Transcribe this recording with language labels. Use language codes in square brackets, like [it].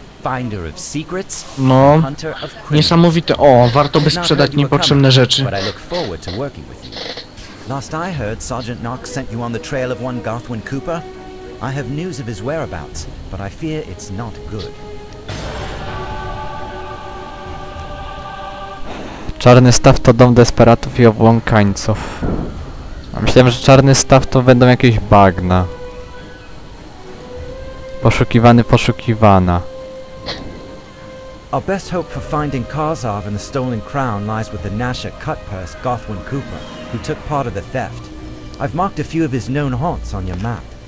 [en] finder of secrets, hunter of criminals. [pl] Niesamowite. O, warto by sprzedać niepotrzebne rzeczy. [en] But I look forward to working with you. Last I heard, Sergeant Knox sent you on the trail of one Gothwin Cooper. I have news of his whereabouts, but I fear it's not good. [pl] Czarny Staw to dom desperatów i obłąkańców. Myślałem, że Czarny Staw to będą jakieś bagna. Poszukiwany, poszukiwana. [en] Our best hope for finding Karzov and the stolen crown lies with the Nashor cutpurse Gothwin Cooper, who took part of the theft. I've marked a few of his known haunts on your map.